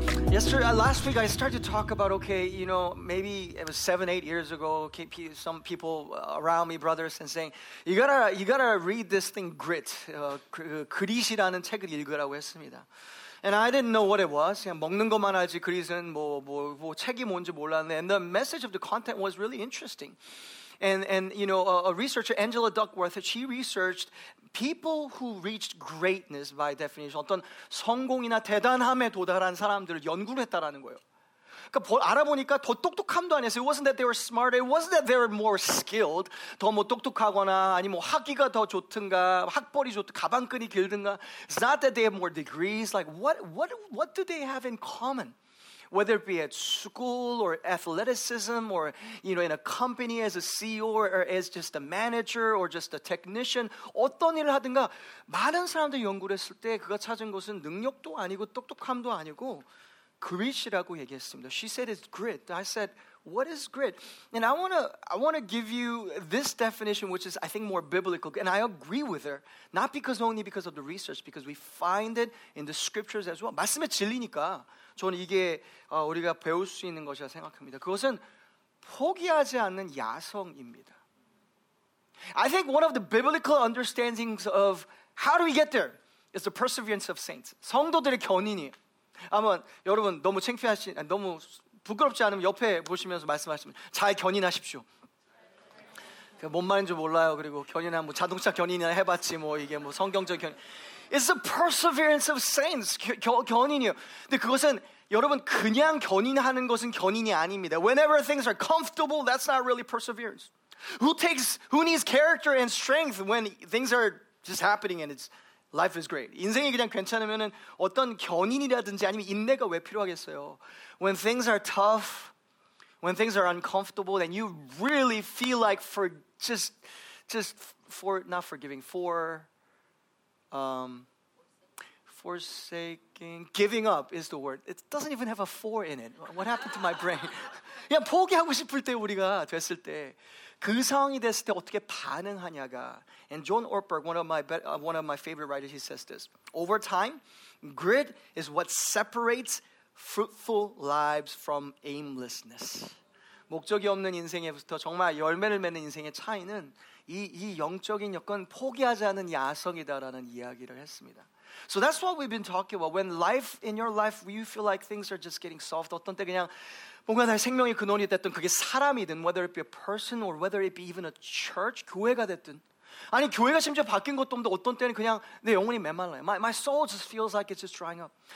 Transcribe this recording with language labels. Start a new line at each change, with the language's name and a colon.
English: Pastor, last week I started to talk about, okay, you know, maybe it was 7-8 years ago, some people around me, brothers, and saying, you gotta read this thing, Grit.
Korean: 그릿이라는 책을 읽으라고 했습니다.
English: And I didn't know what it was.
Korean: 그냥 먹는 것만 알지, 그릿은 뭐 책이 뭔지 몰랐는데,
English: and the message of the content was really interesting. And you know, a researcher, Angela Duckworth, she researched people who reached greatness by definition.
Korean: 어떤 성공이나 대단함에 도달한 사람들을 연구를 했다라는 거예요. 그러니까 알아보니까 더 똑똑함도 아니었어요.
English: It wasn't that they were smarter. It wasn't that they were more skilled.
Korean: 더 뭐 똑똑하거나 아니 뭐 학위가 더 좋든가 학벌이 좋든 가방끈이 길든가.
English: It's not that they have more degrees. Like what do they have in common? Whether it be at school or athleticism or, you know, in a company as a CEO or as just a manager or just a technician,
Korean: 어떤 일을 하든가 많은 사람들이 연구를 했을 때 그가 찾은 것은 능력도 아니고 똑똑함도 아니고 그릿이라고 얘기했습니다.
English: She said it's grit. I said, what is grit? And I want to give you this definition, which is, I think, more biblical. And I agree with her, not because only because of the research, because we find it in the scriptures as well.
Korean: 말씀의 진리니까 저는 이게 우리가 배울 수 있는 것이라 생각합니다. 그것은 포기하지 않는 야성입니다.
English: I think one of the biblical understandings of how do we get there is the perseverance of saints.
Korean: 성도들의 견인이. 아마 여러분 너무 창피하시, 너무 부끄럽지 않으면 옆에 보시면서 말씀하시면 잘 견인하십시오. 뭔 말인지 몰라요. 그리고 견인한 뭐 자동차 견인이나 해봤지 뭐 이게 뭐 성경적 견인.
English: It's the perseverance of saints.
Korean: 견인이요. 근데 그것은 여러분 그냥 견인하는 것은 견인이 아닙니다.
English: Whenever things are comfortable, that's not really perseverance. Who needs character and strength when things are just happening and life is great?
Korean: 인생이 그냥 괜찮으면은 어떤 견인이라든지 아니면 인내가 왜 필요하겠어요?
English: When things are tough, when things are uncomfortable, then you really feel like forsaking, giving up is the word. It doesn't even have a four in it. What happened to my brain?
Korean: 그냥 포기하고 싶을 때 우리가 됐을 때 그 상황이 됐을 때 어떻게 반응하냐가.
English: And John Ortberg, one of my favorite writers, he says this. Over time, grit is what separates fruitful lives from aimlessness.
Korean: 목적이 없는 인생에부터 정말 열매를 맺는 인생의 차이는 이 영적인 여건 포기하지 않는 야성이다라는 이야기를 했습니다.
English: So that's what we've been talking about. When life, in your life, you feel like things are just getting soft.
Korean: 어떤 때 그냥 뭔가 나의 생명의 근원이 됐든 그게 사람이든
English: whether it be a person or whether it be even a church,
Korean: 교회가 됐든 아니 교회가 심지어 바뀐 것도 없는데 어떤 때는 그냥 내 영혼이 메말라요.
English: My soul just feels like it's just drying up.